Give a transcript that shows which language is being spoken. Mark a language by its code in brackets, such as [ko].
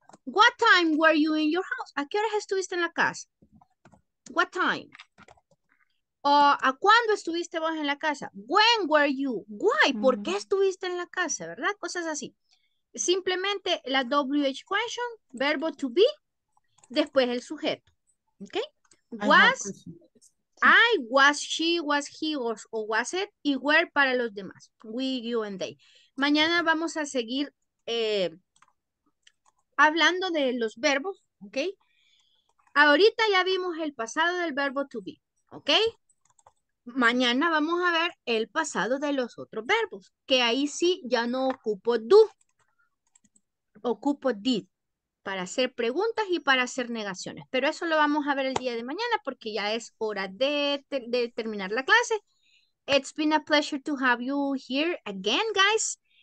[en] What time were you in your house? [es] ¿A qué horas estuviste en la casa? [en] What time? [es] O, ¿a cuándo estuviste vos en la casa? [en] When were you? Why? [es] ¿Por qué estuviste en la casa? ¿Verdad? Cosas así. Simplemente la WH question, verbo to be, después el sujeto, ¿ok? [en] Was, I, was, she, was, he, was, o was it, y were [es] para los demás, [en] we, you, and they. [es] Mañana vamos a seguir hablando de los verbos, ¿ok? Ahorita ya vimos el pasado del verbo to be, ¿ok? Mañana vamos a ver el pasado de los otros verbos, que ahí sí ya no ocupo do, ocupo did. Para hacer preguntas y para hacer negaciones. Pero eso lo vamos a ver el día de mañana porque ya es hora de terminar la clase. [en] It's been a pleasure to have you here again, guys.